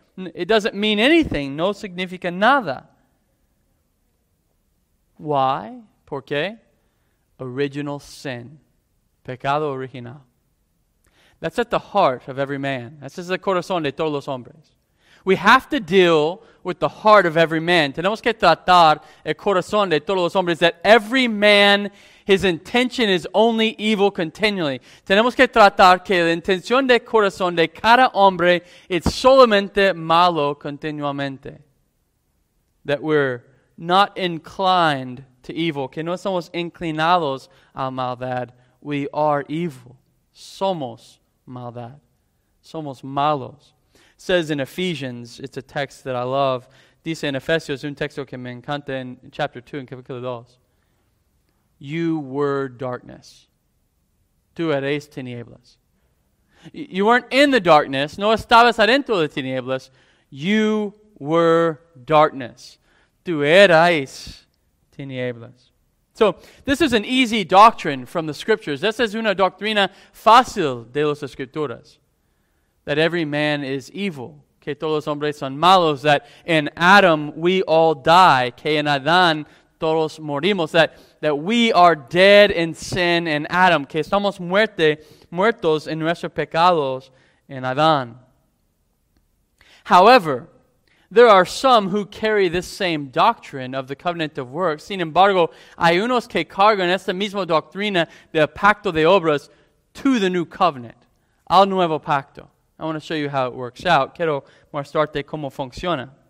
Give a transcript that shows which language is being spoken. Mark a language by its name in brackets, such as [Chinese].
[English] It doesn't mean anything. [Spanish] No significa nada. [English] Why? [Spanish] ¿Por qué? [English] Original sin. [Spanish] Pecado original. [English] That's at the heart of every man. [Spanish] That's el corazón de todos los hombres. [English] We have to deal with the heart of every man. [Spanish] Tenemos que tratar el corazón de todos los hombres. [English] That every man, his intention is only evil continually. [Spanish] Tenemos que tratar que la intención de corazón de cada hombre es solamente malo continuamente. [English] That we're not inclined to evil. [Spanish] Que no somos inclinados a maldad. [English] We are evil. [Spanish] Somos maldad. Somos malos. [English] Says in Ephesians, it's a text that I love. [Spanish] Dice en Efesios, un texto que me encanta en [English] chapter 2, [Spanish] en capítulo 2. [English] You were darkness. [Spanish] Tú eres tinieblas. [English] You weren't in the darkness. [Spanish] No estabas adentro de tinieblas. [English] You were darkness. [Spanish] Tú eres tinieblas. [English] So, this is an easy doctrine from the scriptures. This is [Spanish] una doctrina fácil de las escrituras. [English] That every man is evil. [Spanish] Que todos los hombres son malos. [English] That in Adam we all die. [Spanish] Que en Adán todos morimos. [English] That we are dead in sin in Adam. [Spanish] Que estamos muertos en nuestros pecados en Adán. [English] However, there are some who carry this same doctrine of the covenant of works. [Spanish] Sin embargo, hay unos que cargan esta misma doctrina del pacto de obras [English] to the new covenant. [Spanish] Al nuevo pacto. [English] I want to show you how it works out. [Spanish] Quiero mostrarte cómo funciona.